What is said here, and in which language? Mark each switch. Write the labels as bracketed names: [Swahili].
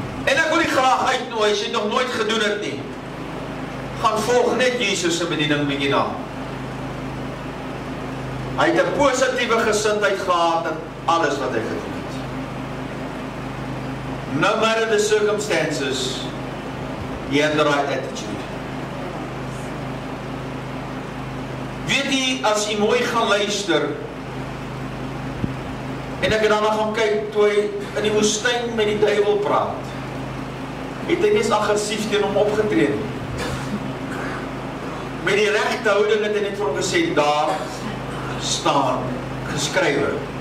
[Afrikaans] En ek wil graag uitnooi, as jy nog nooit gedoen het nie, gaan volg net Jesus se bediening bietjie na. Hy het 'n positiewe gesindheid gehad in alles wat hy gedoen het. [English] No matter the circumstances, he had the right attitude. [Afrikaans] Weet jy, as jy mooi gaan luister, en ek het daarna gaan kyk, toe hy in die woestyn met die duiwel praat, het hy nie aggressief teen hom opgetree nie. Met die regte houding het hy net vir hom gesê, daar staan geskrywe.